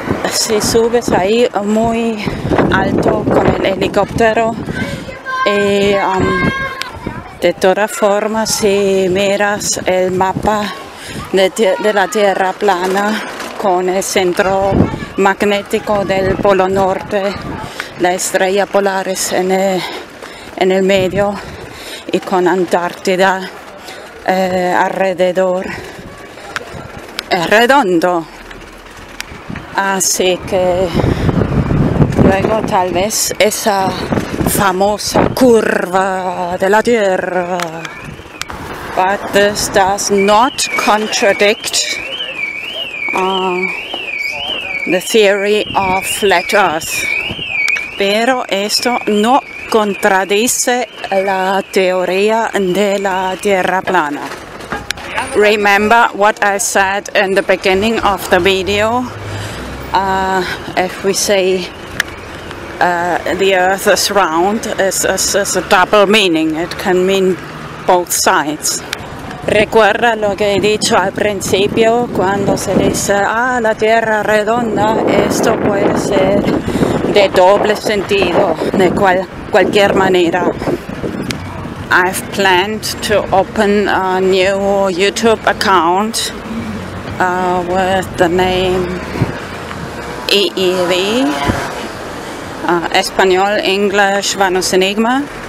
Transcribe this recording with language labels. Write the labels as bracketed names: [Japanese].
[Spanish] si subes ahí muy alto con el helicóptero, y de todas formas, si miras el mapa de la Tierra plana con el centro magnético del polo norte, la estrella polar es en el medio, y con Antártida alrededor, es redondo. Así que luego tal vez esa famosa curva de la Tierra. [English] But this does not contradict the theory of flat earth. [Spanish] Pero esto no contradice la teoría de la Tierra plana. [English] Remember what I said in the beginning of the video. If we say the earth is round, it's a double meaning. It can mean both sides. [Spanish] Recuerda lo que he dicho al principio, cuando se dice, ah, la tierra redonda, esto puede ser de doble sentido, de cualquier manera. [English] I've planned to open a new YouTube account with the name EEV, Español, English, VanosEnigmA.